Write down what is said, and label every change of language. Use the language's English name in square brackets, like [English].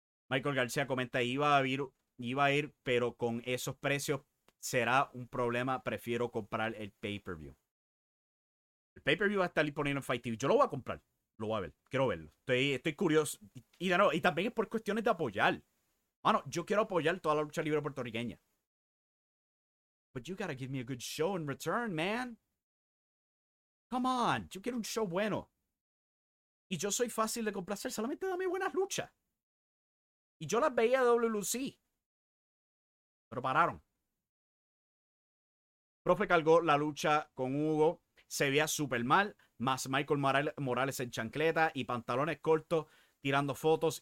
[Spanish] Michael García comenta, iba a ir, pero con esos precios será un problema. Prefiero comprar el pay-per-view. El pay-per-view va a estar disponible en Fight TV. Yo lo voy a comprar. Lo voy a ver. Quiero verlo. Estoy curioso. Y también es por cuestiones de apoyar. Bueno, yo quiero apoyar toda la lucha libre puertorriqueña. [English] But you gotta give me a good show in return, man. Come on. [Spanish] Yo quiero un show bueno. Y yo soy fácil de complacer. Solamente dame buenas luchas. Y yo las veía a WLC. Pero pararon. Profe cargó la lucha con Hugo. Se veía súper mal. Más Michael Morales en chancleta y pantalones cortos tirando fotos.